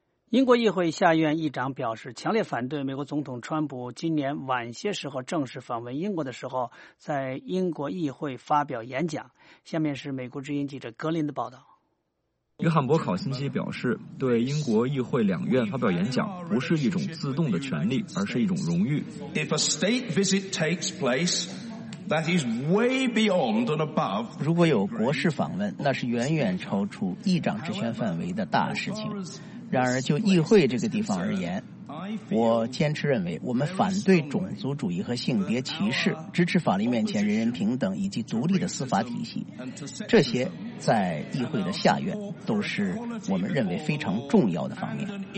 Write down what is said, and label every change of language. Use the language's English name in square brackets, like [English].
[Chinese] 英国议会下院议长表示强烈反对美国总统川普今年晚些时候正式访问英国的时候在英国议会发表演讲。下面是美国之音记者格林的报道。约翰·伯考星期表示，对英国议会两院发表演讲不是一种自动的权利，而是一种荣誉。 [English] If a state visit takes place, that is way beyond and above. [Chinese] 如果有国事访问，那是远远超出议长职权范围的大事情。然而就议会这个地方而言，我坚持认为我们反对种族主义和性别歧视，支持法律面前人人平等以及独立的司法体系，这些在议会的下院都是我们认为非常重要的方面。